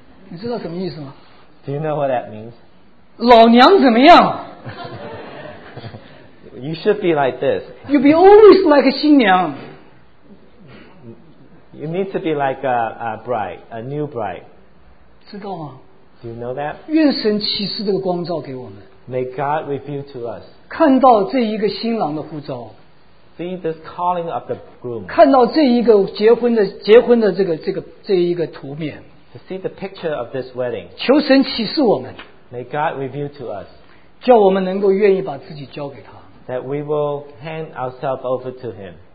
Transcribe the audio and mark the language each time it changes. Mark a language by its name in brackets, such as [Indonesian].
[Chinese] 你知道什么意思吗？ [English] Do you know what that means? [Chinese] 老娘怎么样？ [English] You should be like this. You be always like a 新娘。 You need to be like a bride, a new bride. [Chinese] 知道吗？ [English] Do you know that? [Chinese] 愿神启示这个光照给我们。 [English] May God reveal to us. [Chinese] 看到这一个新郎的护照, [English] see this calling of the groom. [Chinese] 看到这一个结婚的这个图面, [English] to see the picture of this wedding. [Chinese] 求神启示我们, [English] may God reveal to us. [Chinese] 叫我们能够愿意把自己交给他, [English] that we will hand ourselves over to him.